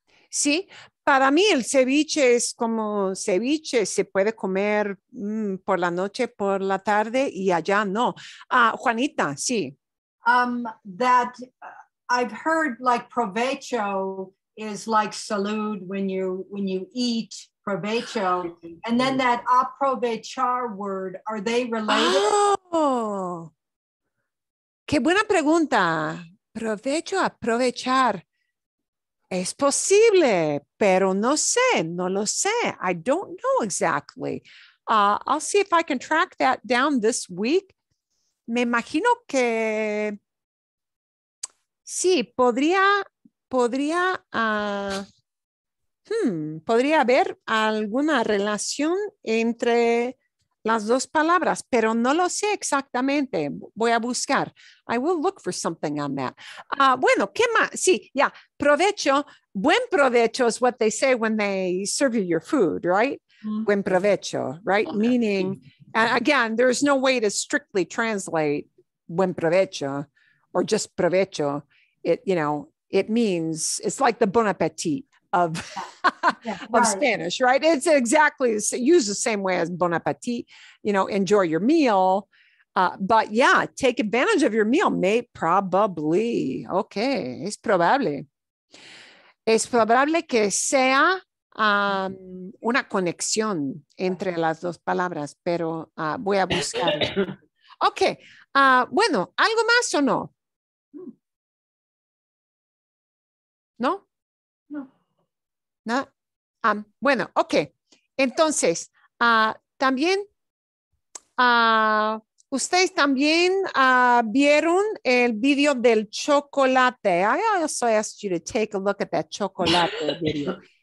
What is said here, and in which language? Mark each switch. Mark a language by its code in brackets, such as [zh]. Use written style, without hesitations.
[es] Sí, para mí el ceviche es como ceviche, se puede comer por la noche, por la tarde y allá no. Juanita, sí. [en] That I've heard like provecho is like salud when you eat. Provecho, and then that aprovechar word, are they related? [es] Oh, qué buena pregunta. Provecho, aprovechar. Es posible, pero no sé, no lo sé. [en] I don't know exactly. I'll see if I can track that down this week. [es] Me imagino que sí, podría haber alguna relación entre las dos palabras, pero no lo sé exactamente. Voy a buscar. [en] I will look for something on that. [es] Bueno, ¿qué más? Sí, ya. Provecho. [en] Buen provecho is what they say when they serve you your food, right? Mm-hmm. Buen provecho, right? Okay. Meaning, again, there's no way to strictly translate buen provecho or just provecho. It means, it's like the bon appetit. Of Spanish, right? It's exactly used the same way as bon appetit, you know, enjoy your meal. But yeah, take advantage of your meal, mate. Probably. Okay. [es] Es probable. Es probable que sea una conexión entre las dos palabras, pero voy a buscar. Okay. Bueno, ¿algo más o no? ¿No? No. ¿No? Bueno, ok. Entonces, también, ustedes también vieron el video del chocolate. [en] I also asked you to take a look at that chocolate video.